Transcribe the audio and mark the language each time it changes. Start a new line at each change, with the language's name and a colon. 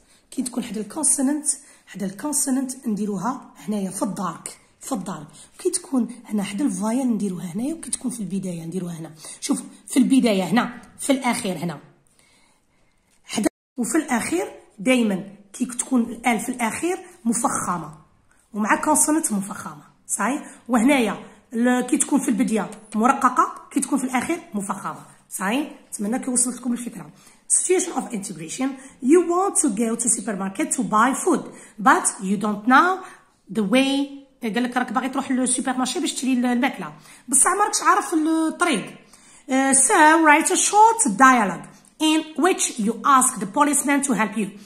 Arabic: كي تكون حدا الكونسوننت حدا الكونسوننت نديروها هنايا في الدارك في الدارك كي تكون هنا حدا الفايل نديروها هنايا وكي تكون في البدايه نديروها هنا شوف في البدايه هنا في الاخير هنا حدا وفي الاخير دائما كي تكون الالف في الاخير مفخمه ومع كونسوننت مفخمه صحيح وهنايا كي تكون في البدايه مرققه كي تكون في الاخير مفخمه صحيح نتمنى كي وصلت لكم الفكره
English: Situation of integration. You want to go to supermarket to buy food, but you don't know the way.
Arabic: قال لك راك باغي تروح للسوبرمارشي باش تشري الماكلة. بصح ما راكش عارف الطريق.
English: So write a short dialogue in which you ask the policeman to help you.